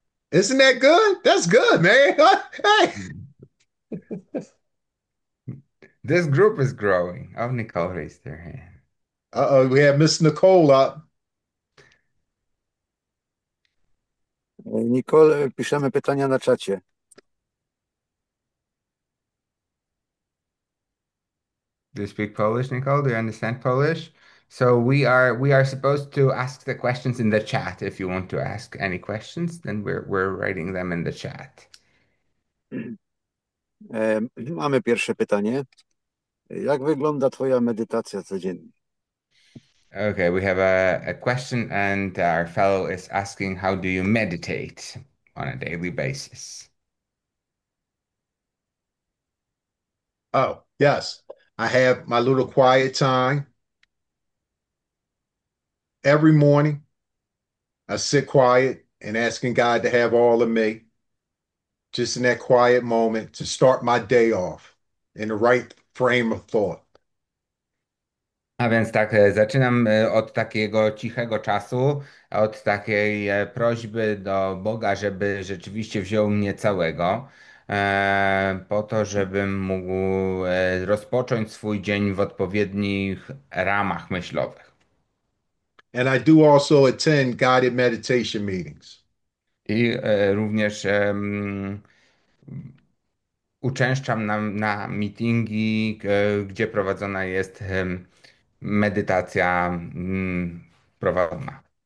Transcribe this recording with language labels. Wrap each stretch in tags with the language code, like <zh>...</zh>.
<en>Isn't that good? That's good, man. This group is growing. Oh, Nicole raised their hand. Uh-oh, we have Miss Nicole up.</en> <pl>Nicole, piszemy pytania na czacie.</pl> <en>Do you speak Polish, Nicole? Do you understand Polish? So we are supposed to ask the questions in the chat. If you want to ask any questions, then we're writing them in the chat.</en> <pl>Mamy pierwsze pytanie. Jak wygląda twoja medytacja codziennie?</pl> <en>Okay, we have a question, and our fellow is asking, how do you meditate on a daily basis? Oh, yes. I have my little quiet time. Every morning, I sit quiet and asking God to have all of me, just in that quiet moment to start my day off in the right frame of thought.</en> <pl>A więc tak, zaczynam od takiego cichego czasu, od takiej prośby do Boga, żeby rzeczywiście wziął mnie całego, po to, żebym mógł rozpocząć swój dzień w odpowiednich ramach myślowych.</pl> <en>And I do also attend guided meditation meetings.</en> <pl>I również uczęszczam na meetingi, gdzie prowadzona jest medytacja prowadzona.</pl>